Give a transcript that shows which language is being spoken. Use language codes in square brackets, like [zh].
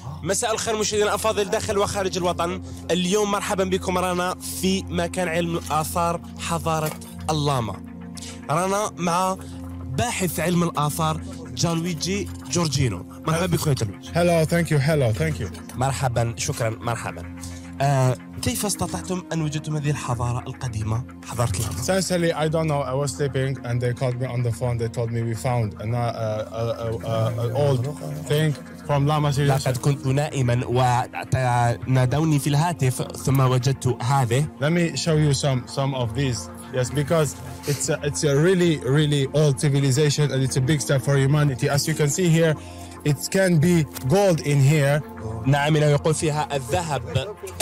[ar] مساء الخير مشاهدينا الافاضل داخل وخارج الوطن. اليوم مرحبا بكم، رانا في مكان علم الاثار حضاره اللاما. رانا مع باحث علم الاثار جان ويجي جورجينو. مرحبا بكم يا جورجينو. [en] Hello thank you. Hello thank you. [ar] مرحبا شكرا. مرحبا. كيف استطعتم ان وجدتم هذه الحضاره القديمه حضاره اللاما؟ [en] Sincerely I don't know. I was sleeping and they called me on the phone. They told me we found an old thing from Lama civilization. [ar] لقد كنت نائما ونادوني في الهاتف ثم وجدت هذه. [en] Let me show you some of these. Yes, because it's a really really old civilization and it's a big step for humanity. As you can see here it can be gold in here. [ar] نعم انه يقول فيها الذهب.